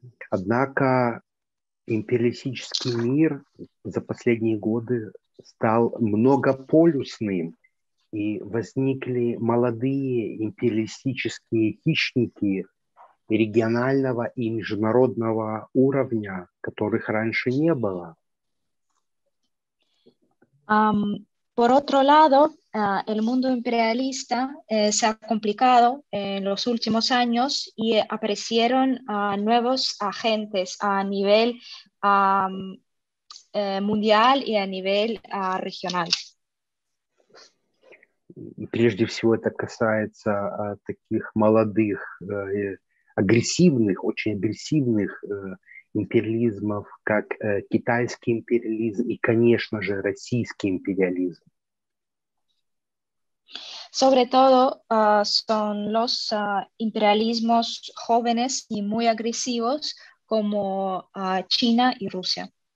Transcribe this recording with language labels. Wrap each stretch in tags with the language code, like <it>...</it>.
<ru>Однако империалистический мир за последние годы стал многополюсным, и возникли молодые империалистические хищники регионального и международного уровня, которых раньше не было.</ru> <es>Por otro lado, el mundo imperialista se ha complicado en los últimos años y aparecieron nuevos agentes a nivel mundial y a nivel regional.</es> <ru>Прежде всего, это касается таких молодых, агрессивных, очень агрессивных империализмов, как китайский империализм и, конечно же, российский империализм.</ru> <es>Sobre todo son los imperialismos jóvenes y muy agresivos como China y Rusia.</es>